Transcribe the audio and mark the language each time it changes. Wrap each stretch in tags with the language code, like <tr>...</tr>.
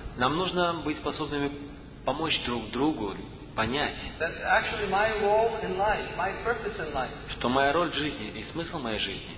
<ru>Нам нужно быть способными помочь друг другу понять,</ru> <en>that actually my role in life, my purpose in life,</en> <ru>что моя роль в жизни и смысл моей жизни,</ru>